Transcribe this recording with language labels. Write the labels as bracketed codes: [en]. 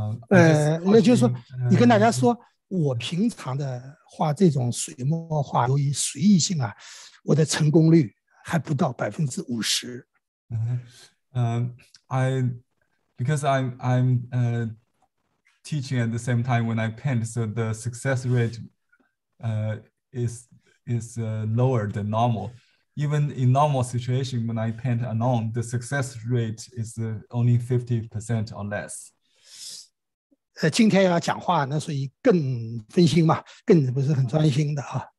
[zh] 那就是说，你跟大家说，我平常的画这种水墨画，由于随意性啊，我的成功率还不到50%。 [en] I'm teaching at the same time when I paint, so the success rate is lower than normal. Even in normal situation, when I paint alone, the success rate is only 50% or less. [zh] 今天要讲话，那所以更分心嘛，更不是很专心的啊。